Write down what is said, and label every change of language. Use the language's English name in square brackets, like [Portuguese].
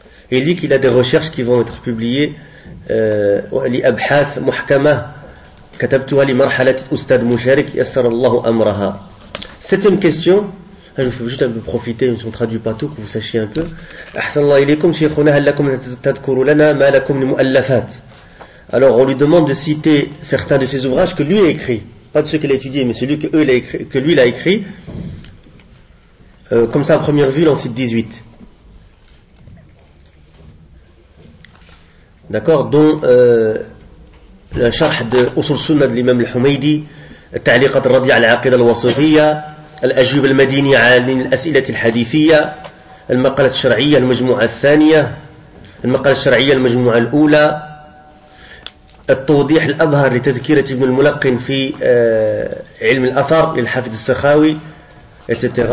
[French] Et il dit qu'il a des recherches qui vont être publiées li abhath muhkama [Arabic] كتبتها لمرحلة أستاذ مشارك يسر الله أمرها. [French] Septième question. Je vous fais juste un peu profiter, je ne traduis pas tout, que vous sachiez un peu. [Arabic] أحسن الله إليكم شيخنا هل لكم تذكر لنا ما لكم من مؤلفات. [French] Alors on lui demande de citer certains de ses ouvrages que lui a écrit, pas de ceux qu'il a étudié, mais celui que lui a écrit. Que lui l'a écrit. Comme ça à première vue, on cite 18. D'accord. Dont le charh de Usul Sunna de l'imam al-Humaydi, Ta'liqat al-Radi' al-Aqid al-Wasifiyya, Al-Ajib al-Madini al-Din al-As'ilat al-Hadithiyya, Al-Maqalat al-Shar'iyya al-Majmu'a al-Thaniya, Al-Maqalat al-Shar'iyya al-Majmu'a al-Ula, Al-Tawdih al-Abhar li-Tadhkirat ibn al-Mulaqin fi ilm al-Athar li-Hafid al-Sakhawi, etc.